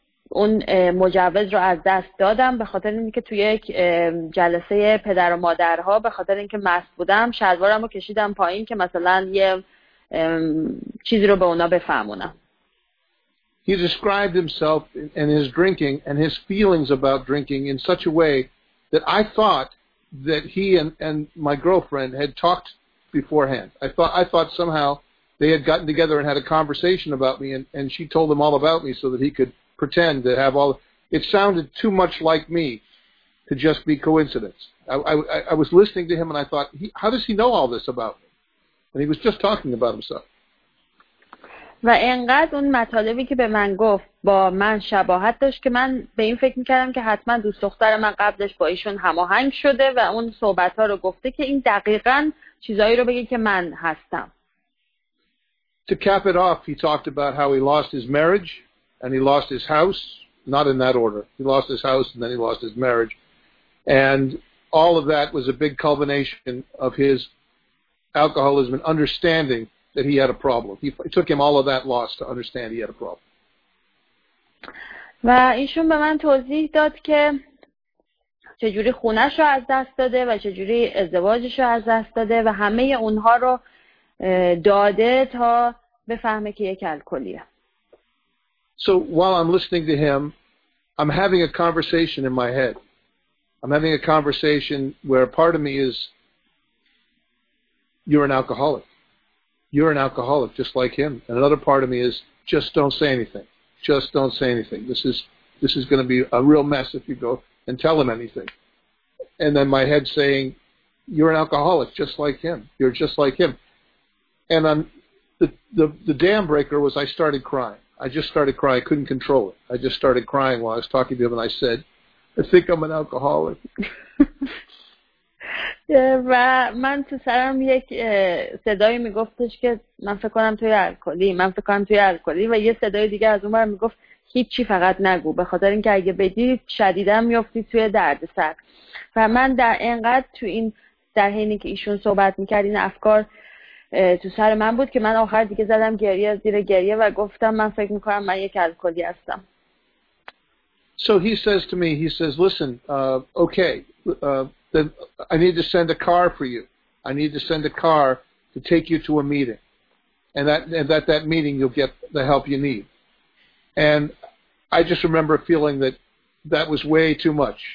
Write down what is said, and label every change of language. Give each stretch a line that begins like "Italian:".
Persian: اون مجوز رو از دست دادم به خاطر اینکه توی یک جلسه پدر و مادرها به خاطر اینکه مست بودم شلوارم رو کشیدم پایین که مثلا یه چیزی رو به اونا بفهمونم.
English: He described himself and his drinking and his feelings about drinking in such a way that I thought that he and my girlfriend had talked beforehand. I thought somehow they had gotten together and had a conversation about me, and she told him all about me so that he could pretend to have all. It sounded too much like me to just be coincidence. I was listening to him and I thought, how does he know all this about me? And he was just talking about himself.
Persian: و اینقدر اون مطالبی که به من گفت با من شباهت داشت که من به این فکر میکردم که حتما دوست دختر من قبلش با ایشون هماهنگ شده و اون صحبت‌ها رو گفته که این دقیقاً چیزایی رو بگه که من هستم.
English: To cap it off, he talked about how he lost his marriage and he lost his house, not in that order. He lost his house and then he lost his marriage. And all of that was a big culmination of his alcoholism and understanding that he had a problem. It took him all of that loss to understand he had a problem.
Persian: و ایشون به من توضیح داد که چجوری خونه‌شو از دست داده و چجوری ازدواجشو از دست داده و همه اونها رو داده تا بفهمه که یک الکلیه.
English: So while I'm listening to him, I'm having a conversation in my head. I'm having a conversation where part of me is, you're an alcoholic. You're an alcoholic, just like him. And another part of me is, just don't say anything. Just don't say anything. This is going to be a real mess if you go and tell him anything. And then my head saying, you're an alcoholic, just like him. You're just like him. And the dam breaker was I started crying. I just started crying. I couldn't control it. I just started crying while I was talking to him, and I said, I think I'm an alcoholic.
Persian: و من تو سرم یک صدایی میگفتش که من فکر کنم توی الکلی و یه صدای دیگه از اون بر میگفت هیچی فقط نگو به خاطر اینکه اگه بدی شدیداً میفتی توی درد سر. و من در اینقدر تو این در حینی که ایشون صحبت میکرد این افکار تو سر من بود که من آخر دیگه زدم گریه زیر گریه و گفتم من فکر میکنم من یک الکلی هستم.
English: So he says to me, he says, listen, okay, then I need to send a car for you. I need to send a car to take you to a meeting. And that meeting, you'll get the help you need. And I just remember feeling that that was way too much.